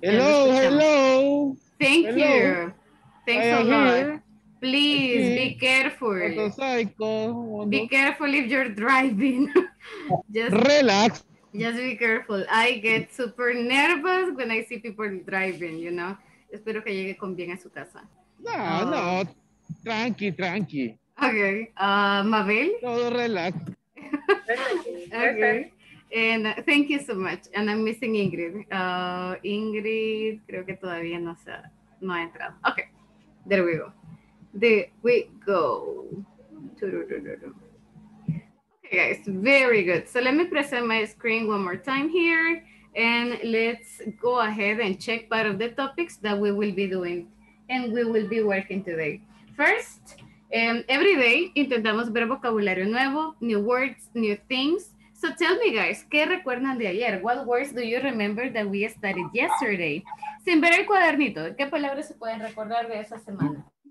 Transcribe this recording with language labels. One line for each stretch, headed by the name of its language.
English: Hello. Thank you. Thanks a lot. Please, be careful. Be careful if you're driving. Relax. Just be careful. I get super nervous when I see people driving, you know.
Spanish: Espero que llegue con bien a su casa. No. Tranqui.
English: Okay. Mabel?
Spanish: Todo relax.
English: Okay. And thank you so much. And I'm missing Ingrid.
Spanish: Ingrid, creo que todavía no se ha, no ha entrado.
English: Okay. There we go. Okay, guys. Very good. So let me present my screen one more time here. And let's go ahead and check part of the topics that we will be doing. And we will be working today. First, every day,
Spanish: intentamos ver vocabulario nuevo,
English: new words, new things. So tell me, guys,
Spanish: ¿qué recuerdan de ayer?
English: What words do you remember that we studied yesterday?
Spanish: Sin ver el cuadernito, ¿qué palabras se pueden recordar de esa semana?